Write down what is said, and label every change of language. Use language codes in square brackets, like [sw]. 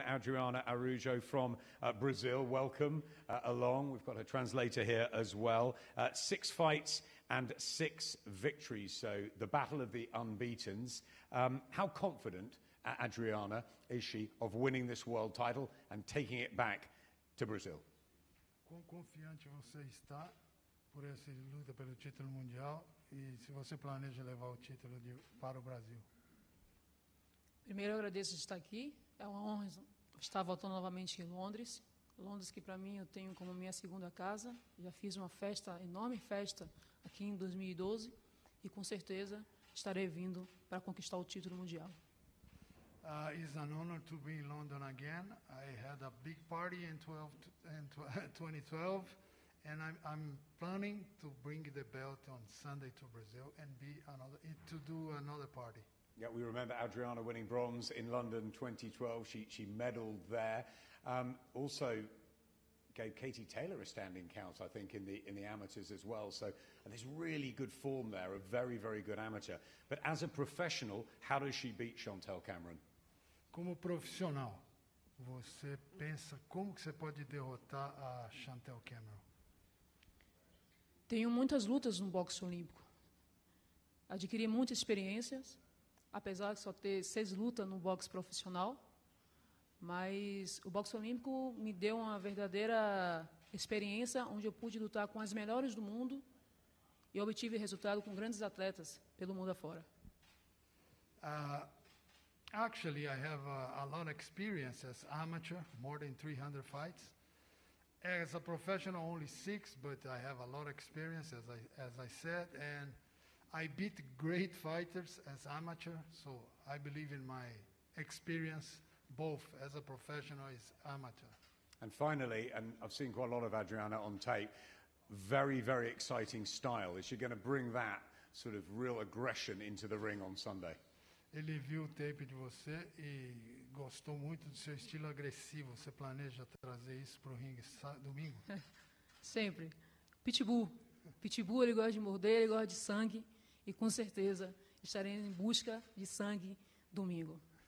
[en] Adriana Araújo from Brazil. Welcome along. We've got a translator here as well. Six fights and six victories. So the battle of the unbeatens. How confident, Adriana, is she of winning this world title and taking it back to Brazil? [pt] Quão confiante você está por essa luta pelo título mundial e se você planeja levar o título para o Brasil? Primeiro, eu agradeço de estar aqui. É uma honra estar voltando novamente em Londres. Londres que, para mim, eu tenho como minha segunda casa. Já fiz uma festa, enorme festa, aqui em 2012. E, com certeza, estarei vindo para conquistar o título mundial. [en] It's an honor to be in London again. I had a big party in 2012. And I'm planning to bring the belt on Sunday to Brazil and do another party. Yeah, we remember Adriana winning bronze in London 2012. She medaled there. Also gave Katie Taylor a standing count, I think, in the amateurs as well. So there's really good form there, a very, very good amateur. But as a professional, how does she beat Chantelle Cameron? [pt] Como profissional, você pensa como que você pode derrotar a Chantelle Cameron? Tenho muitas lutas no boxe olímpico. Adquiri muitas experiências, apesar de só ter 6 lutas no boxe profissional. Mas o boxe olímpico me deu uma verdadeira experiência, onde eu pude lutar com as melhores do mundo e obtive resultado com grandes atletas pelo mundo afora. [en] Actually, I have a lot of experience as amateur, more than 300 fights. As a professional, only 6, but I have a lot of experience, as I said, and I beat great fighters as amateur, so I believe in my experience, both as a professional and as amateur. And finally, and I've seen quite a lot of Adriana on tape, very, very exciting style. Is she going to bring that sort of real aggression into the ring on Sunday? [pt] Ele viu o tape de você e gostou muito do seu estilo agressivo. Você planeja trazer isso para o ringue domingo? Sempre. Pitbull. Pitbull, ele gosta de morder, ele gosta de sangue. E com certeza estarei em busca de sangue domingo.